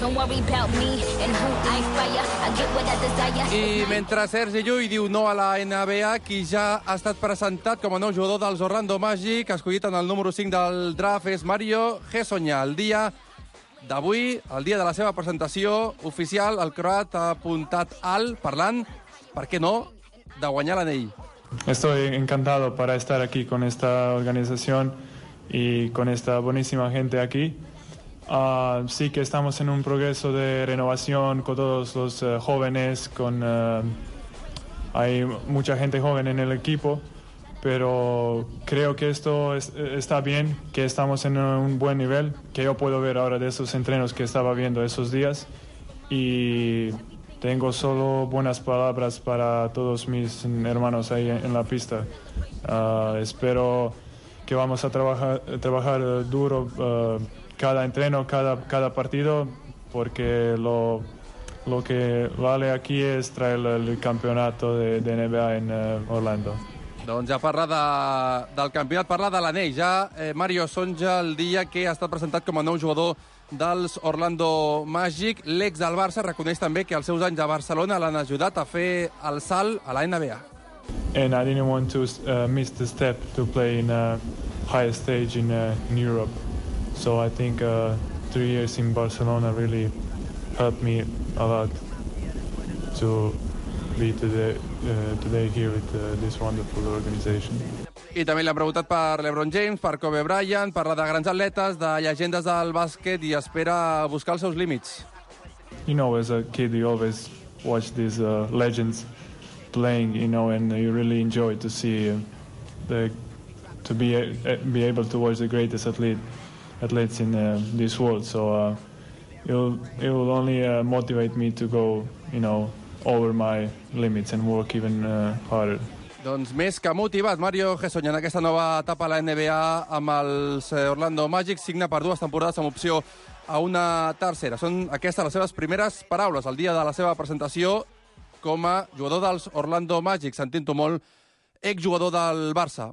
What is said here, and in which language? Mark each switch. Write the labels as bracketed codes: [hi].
[en] Don't worry about me and who I fire. I get what I desire. [ca] I mentre Sergi Llull diu no a la NBA, qui ja ha estat presentat com a nou jugador dels Orlando Magic, escollit en el número 5 del draft, és Mario Hezonja. El dia d'avui, el dia de la seva presentació oficial, el croat ha apuntat al parlant, per què no, de guanyar l'anell. [es] Estoy encantado para estar aquí con esta organización y con esta buenísima gente aquí. Sí que estamos en un progreso de renovación con todos los jóvenes, con hay mucha gente joven en el equipo, pero creo que esto está bien, que estamos en un buen nivel, que yo puedo ver ahora de esos entrenos que estaba viendo esos días, y tengo solo buenas palabras para todos mis hermanos ahí en la pista. Espero que vamos a trabajar duro cada entreno, cada partido, porque lo que vale aquí es traer el campeonato de NBA en Orlando. [ca] Doncs ja parla del campionat, parla de l'anell. Ja, Mario, són ja el dia que ha estat presentat com a nou jugador dels Orlando Magic. L'ex del Barça reconeix també que els seus anys a Barcelona l'han ajudat a fer el salt a la NBA. [en] And I didn't want to miss the step to play in a high stage in Europe. So I think 3 years in Barcelona really helped me a lot to be today here with this wonderful organization. [ca] I també li han preguntat per LeBron James, per Kobe Bryant, per la de grans atletes, de llegendes del bàsquet, i espera buscar els seus límits. [en] You know, as a kid, you always watch these legends playing, you know, and you really enjoy to see to be able to watch the greatest athletes in this world. So it will only motivate me to go, you know, over my limits and work even harder. [ca] Doncs més que motivat, Mario Hezonja, en aquesta nova etapa a la NBA amb els Orlando Magic, signa per dues temporades amb opció a una tercera. Són aquestes les seves primeres paraules el dia de la seva presentació com a jugador dels Orlando Magic, sentint-ho molt, exjugador del Barça.